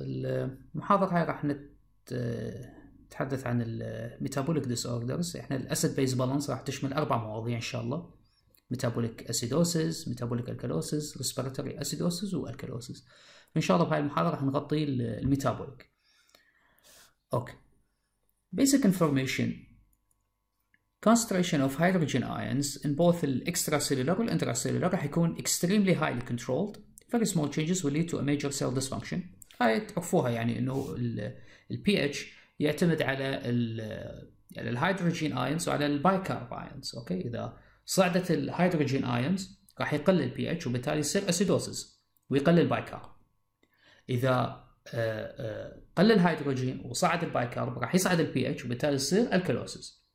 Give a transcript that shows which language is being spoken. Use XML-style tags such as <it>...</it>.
<ar>المحاضرة هاي راح نتحدث عن الـ Metabolic Disorders. إحنا الـ Asset Base Balance راح تشمل أربع مواضيع إن شاء الله: Metabolic Acidosis، Metabolic Alkalosis، Respiratory Acidosis و Alkalosis. إن شاء الله بهاي المحاضرة راح نغطي الـ Metabolic.</ar> <en>Okay. Basic information. Concentration of hydrogen ions in both the extracellular and intracellular</en> <ar>راح يكون</ar> <en>extremely highly controlled. Very small changes will lead to a major cell dysfunction.</en> <ar>هاي تعرفوها، يعني انه ال pH يعتمد على ال hydrogen ions وعلى ال bicarb ions.</ar> <en>Okay.</en> <ar>إذا صعدت ال hydrogen ions راح يقل ال pH وبالتالي يصير acidosis ويقل ال bicarb. إذا قل الهيدروجين وصعد البايكارب راح يصعد البي اتش وبالتالي يصير الكالوسيس.</ar>